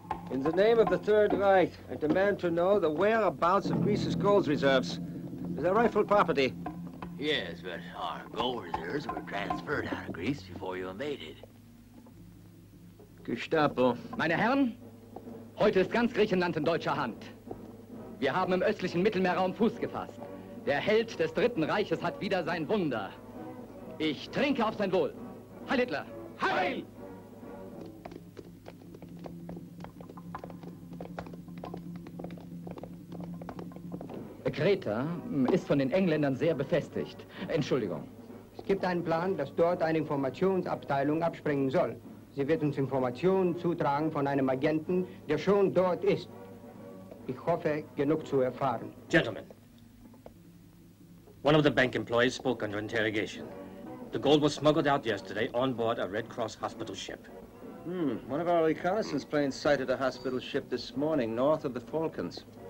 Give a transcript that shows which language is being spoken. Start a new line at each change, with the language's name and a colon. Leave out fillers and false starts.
English: In the name of the Third Reich, I demand to know the whereabouts of Greece's gold reserves. Is that rightful property? Yes, but our gold reserves were transferred out of Greece before you invaded. Gestapo.
German: Meine Herren, heute ist ganz Griechenland in deutscher Hand. Wir haben im östlichen Mittelmeerraum Fuß gefasst. Der Held des Dritten Reiches hat wieder sein Wunder. Ich trinke auf sein Wohl. Heil Hitler! Heil! Heil! Kreta ist von den Engländern sehr befestigt. Entschuldigung. Es gibt einen Plan, dass dort eine Informationsabteilung abspringen soll. Sie wird uns Informationen zutragen von einem Agenten, der schon dort ist. Ich hoffe, genug zu erfahren.
English: Gentlemen, one of the bank employees spoke under interrogation. The gold was smuggled out yesterday on board a Red Cross hospital ship. One of our reconnaissance planes sighted a hospital ship this morning north of the Falklands.